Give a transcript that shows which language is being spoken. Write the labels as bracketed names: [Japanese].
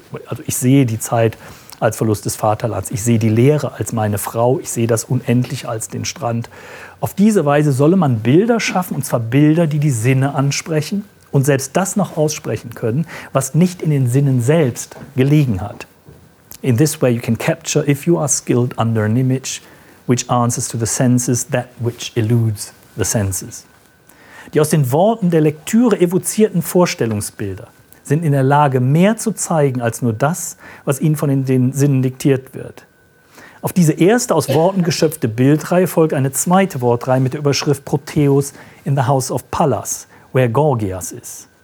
[German] Also ich sehe die Zeit als Verlust des Vaterlands, ich sehe die Leere als meine Frau, ich sehe das Unendliche als den Strand. Auf diese Weise solle man Bilder schaffen, und zwar Bilder, die die Sinne ansprechen und selbst das noch aussprechen können, was nicht in den Sinnen selbst gelegen hat. [English] In this way you can capture, if you are skilled under an image, which answers to the senses, that which eludes the senses. [German] Die aus den Worten der Lektüre evozierten Vorstellungsbilder sind in der Lage, mehr zu zeigen als nur das, was ihnen von den Sinnen diktiert wird. Auf diese erste aus Worten geschöpfte Bildreihe folgt eine zweite Wortreihe mit der Überschrift [English] Proteus in the House of Pallas, where Gorgias is.